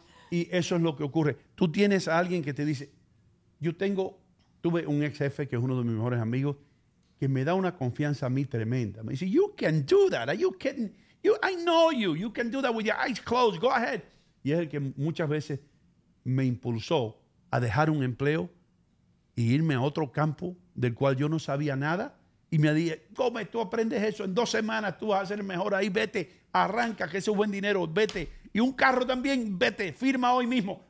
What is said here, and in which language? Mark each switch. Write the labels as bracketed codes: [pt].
[es] Y eso es lo que ocurre. Tú tienes a alguien que te dice, tuve un ex jefe que es uno de mis mejores amigos, que me da una confianza a mí tremenda. [en] Me dice, you can do that. Are you kidding? I know you. You can do that with your eyes closed. Go ahead. [es] Y es el que muchas veces me impulsó a dejar un empleo e irme a otro campo del cual yo no sabía nada. Y me dije, Gómez, tú aprendes eso. En 2 semanas tú vas a ser mejor ahí. Vete, arranca, que ese es buen dinero. Vete. Y un carro también, vete. Firma hoy mismo.